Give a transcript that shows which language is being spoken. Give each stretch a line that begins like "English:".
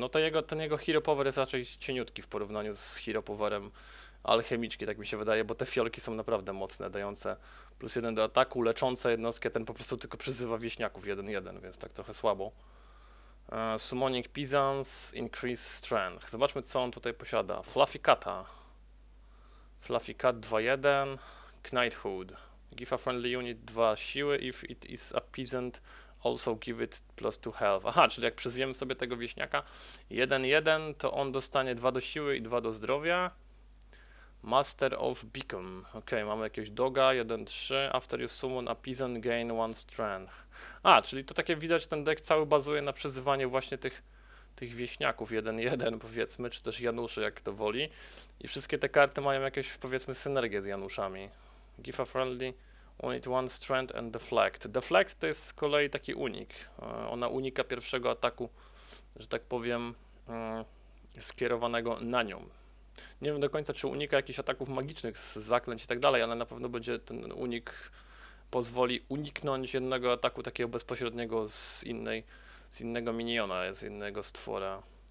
Polish: No to ten jego hero power jest raczej cieniutki w porównaniu z hero powerem alchemiczki, tak mi się wydaje, bo te fiolki są naprawdę mocne, dające plus jeden do ataku, leczące jednostkę, ten po prostu tylko przyzywa wieśniaków 1-1, więc tak trochę słabo.
English: Summoning Pisans, Increase Strength.
Polish: Zobaczmy, co on tutaj posiada.
English: Fluffy Cata. Fluffy Cat 2-1. Knighthood. Give a friendly unit 2
Polish: siły,
English: if it is a peasant, also give it plus 2 health.
Polish: Aha, czyli jak przyzwiemy sobie tego wieśniaka 1-1, to on dostanie 2 do siły i 2 do zdrowia. Master of Beacon. Okej, okay, mamy jakieś doga, 1-3.
English: After you summon a peasant, gain one strength.
Polish: A, czyli to takie widać, ten deck cały bazuje na przyzywaniu właśnie tych wieśniaków 1-1, powiedzmy, czy też Januszy, jak kto woli. I wszystkie te karty mają jakieś, powiedzmy, synergię z Januszami.
English: Give a friendly unit one strength and deflect.
Polish: Deflect to jest z kolei taki unik. Ona unika pierwszego ataku, że tak powiem, skierowanego na nią. Nie wiem do końca, czy unika jakichś ataków magicznych z zaklęć i tak dalej, ale na pewno będzie ten unik pozwoli uniknąć jednego ataku takiego bezpośredniego z innego miniona, z innego stwora.